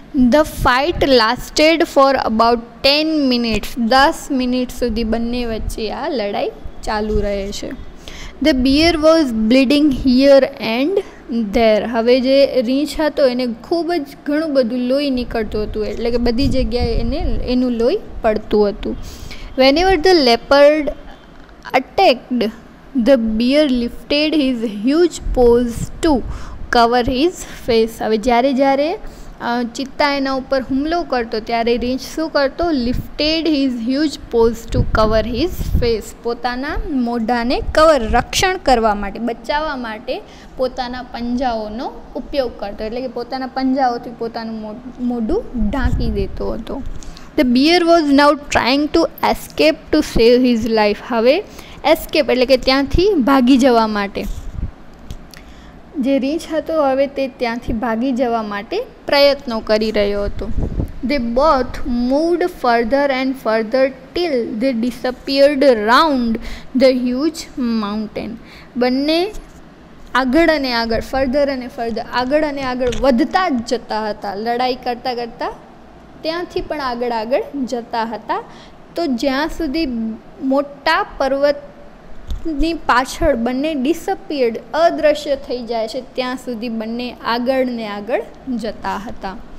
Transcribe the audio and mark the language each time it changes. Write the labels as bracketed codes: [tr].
[en] the fight lasted for about 10 minutes, [gu] 10 minute સુધી બંને વચ્ચે આ લડાઈ ચાલુ રહે છે. [en] The bear was bleeding here and there. [gu] હવે જે રીંછ હતો એને ખૂબ જ ઘણું બધું લોહી નીકળતું હતું, એટલે કે બધી જગ્યાએ એને એનું લોહી પડતું હતું. [en] Whenever the leopard attacked, the bear lifted his huge paws to cover his face. [gu] હવે જ્યારે જ્યારે ચિત્તા એના ઉપર હુમલો કરતો ત્યારે રીંછ શું કરતો? [en] Lifted his huge paws to cover his face. [gu] પોતાના મોઢાને કવર, રક્ષણ કરવા માટે, બચાવવા માટે પોતાના પંજાઓનો ઉપયોગ કરતો, એટલે કે પોતાના પંજાઓથી પોતાનું મોઢું ઢાંકી દેતો હતો. [en] The bear was now trying to escape to save his life. [gu] હવે એસ્કેપ એટલે કે ત્યાંથી ભાગી જવા માટે, જે રીંછ હતો હવે તે ત્યાંથી ભાગી જવા માટે પ્રયત્નો કરી રહ્યો હતો. [en] They both moved further and further till they disappeared round the huge mountain. [gu] બંને આગળ અને આગળ, ફર્ધર અને ફર્ધર, આગળ અને આગળ વધતા જ જતા હતા, લડાઈ કરતા કરતા ત્યાંથી પણ આગળ આગળ જતા હતા, તો જ્યાં સુધી મોટા પર્વતની પાછળ બંને ડિસઅપીયર્ડ, અદૃશ્ય થઈ જાય છે, ત્યાં સુધી બંને આગળ ને આગળ જતા હતા.